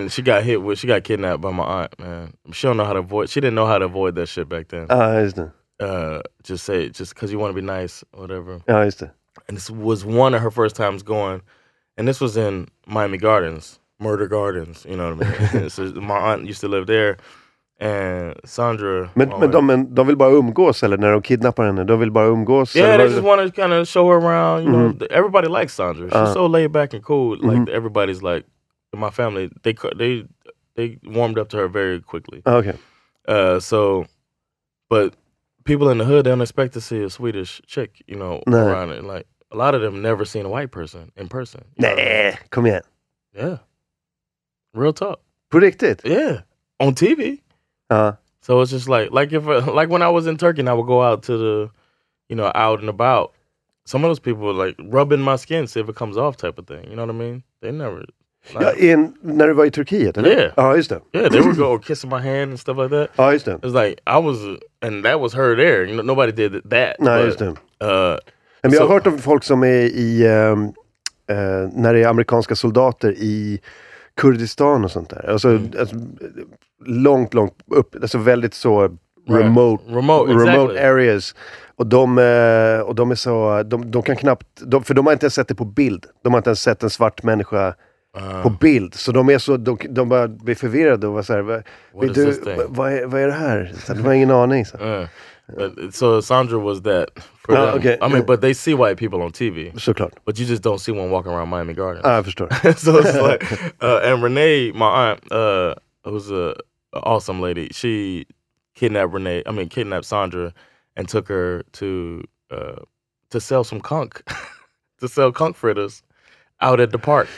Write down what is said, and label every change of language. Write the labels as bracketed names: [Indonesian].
[English] And she got kidnapped by my aunt. Man, she don't know how to avoid. She didn't know how to avoid that shit back then. Ah, I used to. Just because you want to be nice, or whatever. Yeah, I used to. And this was one of her first times going, and this was in Miami Gardens, Murder Gardens. You know what I mean? So my aunt used to live there. Sandra, [Swedish] men de vill bara umgås, eller när de kidnappar henne, de vill bara umgås. [English] Yeah, they just want to kind of show her around. You know, everybody likes Sandra. She's so laid back and cool. Like everybody's like, in my family, they warmed up to her very quickly. Okay. But people in the hood, they don't expect to see a Swedish chick, you know, around it. Like a lot of them never seen a white person in person. Nah, come here. Yeah. Real talk. Predicted. Yeah, on TV. So it's just like when I was in Turkey and I would go out to the, you know, out and about, some of those people were like rubbing my skin, see if it comes off type of thing. You know what I mean? They never. Like, [Swedish] yeah, in när du var I Turkiet, eller? [English] Yeah. [Swedish] Oh, just det. [English] Yeah, they would go kissing my hand and stuff like that. [Swedish] Oh, just det. [English] It's like, I was, and that was her there. You know, nobody did that. [Swedish] Nej, just det. Men jag har hört om folk som är i, när det är amerikanska soldater i Kurdistan och sånt där. Alltså, långt, långt upp. Alltså väldigt så remote areas. Och de är så, de kan knappt, för de har inte ens sett det på bild. De har inte ens sett en svart människa på bild. Så de är så, de bara blir förvirrade och var såhär, vad är det här? De har ingen aning. Så. [English] So Sandra was that for them. Okay. I mean, but they see white people on TV. [Swedish] Såklart. [English] But you just don't see one walking around Miami Gardens. [Swedish] Ah, förstår. [English] So it's like, and Renee, my aunt, who's a awesome lady, she kidnapped Renee, I mean, kidnapped Sandra and took her to sell some conch, to sell conch fritters out at the park.